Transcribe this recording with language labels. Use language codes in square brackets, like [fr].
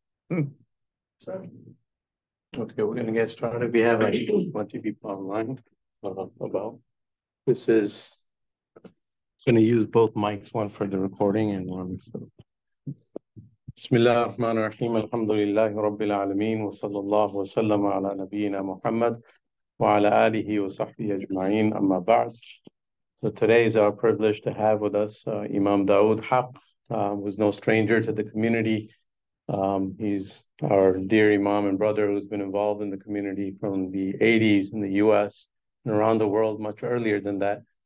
[en] Okay, we're going to get started. We have like 20 people online about. This is going to use both mics, one for [ar] the recording and one for بسم الله الرحمن الرحيم الحمد لله رب العالمين وصلى الله وسلم على نبينا محمد وعلى آله وصحبه أجمعين أما بعد. [en] So today is our privilege to have with us Imam Dawood Haq, who's no stranger to the community. He's our dear Imam and brother who's been involved in the community from the 80s in the US and around the world much earlier than that.